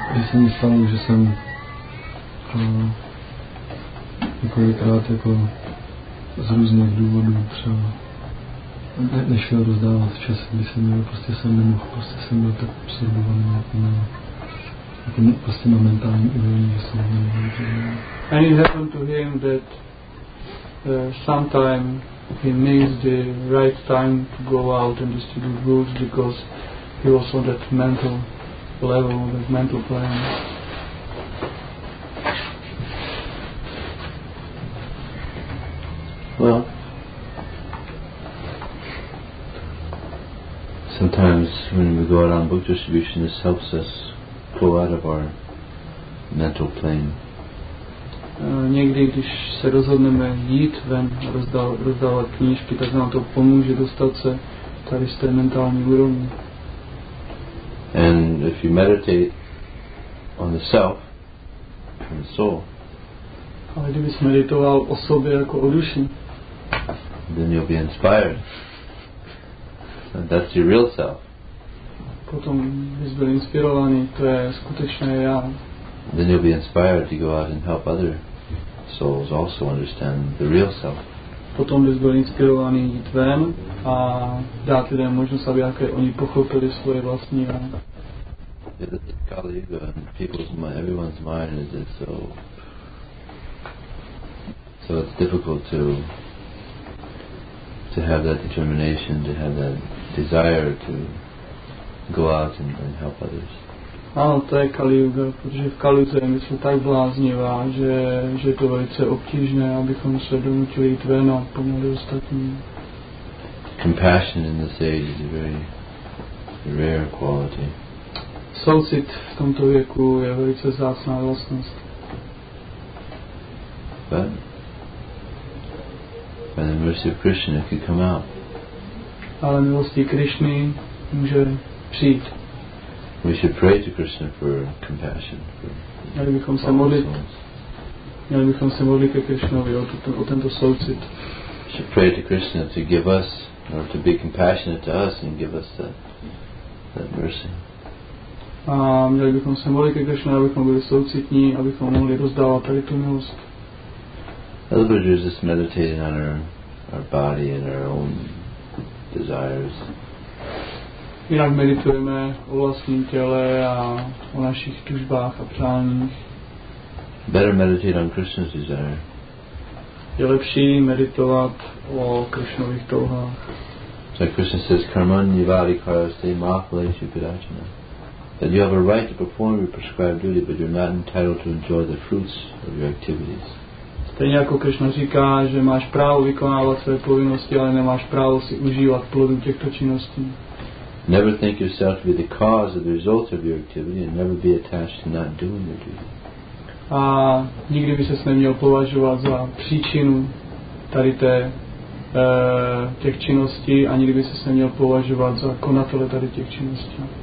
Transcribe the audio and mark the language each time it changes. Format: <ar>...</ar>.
<cs>Jsem stalo, že jsem několikrát jako z různých důvodů třeba nešel rozdávat v čase, když jsem měl, prostě jsem nemohl, prostě jsem byl tak absorbovaný prostě na mentální úrovni, že jsem nemohl.</cs> <en>And it happened to him that sometime he missed the right time to go out and distribute books because he was on that mental level, that mental plane. Well, sometimes when we go out on book distribution, this helps us pull out of our mental plane.</en> <cs>Někdy, když se rozhodneme jít ven a rozdávat knížky, tak nám to pomůže dostat se tady z té mentální úrovni.</cs> <en>And if you meditate on the self, on the soul,</en> <cs>ale kdybys meditoval o sobě jako o duši,</cs> <en>then you'll be inspired. That's your real self.</en> <cs>Potom bys byl inspirovaný, to je skutečné já.</cs> <en>Then you'll be inspired to go out and help other souls also understand the real self.</en> <cs>Potom bys byl inspirovaný jít ven a dát lidem možnost, aby oni pochopili svoje vlastní já.</cs> <en>The Kali Yuga and people's mind, everyone's mind is it so it's difficult to have that determination, to have that desire to go out and help others.</en> <cs>Ano, to je Kali Yuga, protože v Kali Yuga je mysl tak bláznivá, že je to velice obtížné, abychom se donutili jít ven a pomoci ostatním.</cs> <en>Compassion in this age is a very rare quality.</en> <cs>Soucit v tomto věku je velice vzácná vlastnost.</cs> <en>But by the mercy of Krishna, it could come out.</en> <cs>Ale milostí Krishny může přijít.</cs> <en>We should pray to Krishna for compassion.</en> <cs>Měli bychom se modlit měli bychom se modlit ke Krišnovi o tento soucit.</cs> <en>We should pray to Krishna to give us, or to be compassionate to us and give us that, that mercy.</en> <cs>A měli bychom se modlit ke Krišnovi, abychom byli soucitní, abychom mohli rozdávat tady tu milost.</cs> <en>Otherwise, we're just meditating on our body and our own desires.</en> <cs>Jinak meditujeme o vlastním těle a o našich tužbách a přáních.</cs> <en>Better meditate on Krishna's desire.</en> <cs>Je lepší meditovat o Krishnových touhách.</cs> <en>So Krishna says, "Karmani vadi karaste mahalesu pirachana." That you have a right to perform your prescribed duty, but you're not entitled to enjoy the fruits of your activities.</en> <cs>Stejně jako Krishna říká, že máš právo vykonávat své povinnosti, ale nemáš právo si užívat plodů těchto činností.</cs> <en>Never think yourself to be the cause or the result of your activity, and never be attached to not doing your duty.</en> <cs>A nikdy by ses neměl považovat za příčinu tady té, těch činností a nikdy by ses neměl považovat za konatele tady těch činností.</cs>